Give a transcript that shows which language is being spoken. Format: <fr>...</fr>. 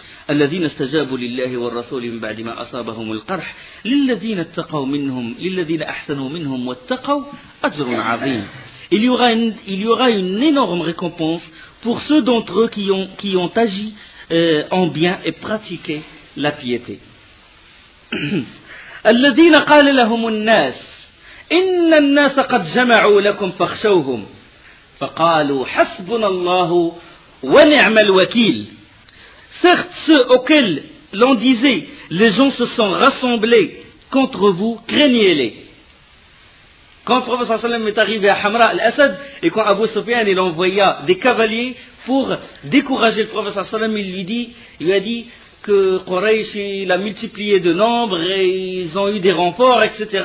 <ar>الذين استجابوا لله والرسول من بعد ما أصابهم القرح للذين أحسنوا منهم واتقوا أجر عظيم.</ar> <fr>Il y aura une énorme récompense pour ceux d'entre eux qui ont agi en bien et pratiquer la piété.</fr> <ar>الذين قال لهم الناس إن الناس قد جمعوا لكم فخشوهم فقالوا حسبنا الله ونعم الوكيل.</ar> <fr>Certes, ceux auxquels l'on disait, les gens se sont rassemblés contre vous, craignez-les. Quand le prophète sallallahu alayhi wa sallam est arrivé à Hamra al-Asad et quand Abu Sufyan il envoya des cavaliers pour décourager le prophète sallallahu alayhi wa sallam, il lui a dit que Quraysh il a multiplié de nombre et ils ont eu des renforts, etc.</fr>